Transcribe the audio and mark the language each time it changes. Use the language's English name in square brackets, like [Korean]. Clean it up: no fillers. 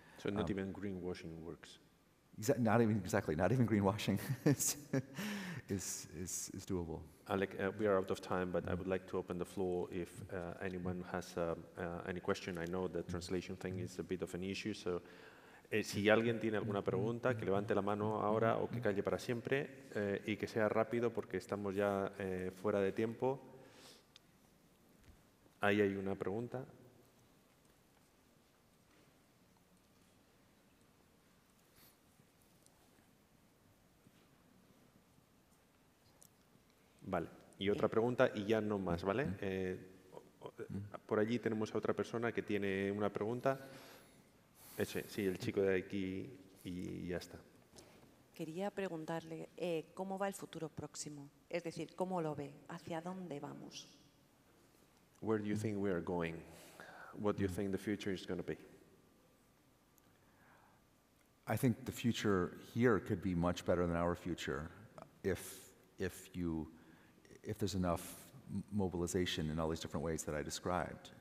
[English] So not even greenwashing works. Not even greenwashing is doable. Alec, we are out of time, but mm-hmm. I would like to open the floor if anyone has any question. I know the translation thing is a bit of an issue, so. [Spanish] Si alguien tiene alguna pregunta, que levante la mano ahora o que calle para siempre y que sea rápido porque estamos ya fuera de tiempo. Ahí hay una pregunta. Vale, y otra pregunta y ya no más, ¿vale? Por allí tenemos a otra persona que tiene una pregunta. Sí, el chico de aquí y ya está. Quería preguntarle cómo va el futuro próximo, es decir, cómo lo ve, hacia dónde vamos. [English] Where do you think we are going? What do you think the future is going to be? I think the future here could be much better than our future, if there's enough mobilization in all these different ways that I described.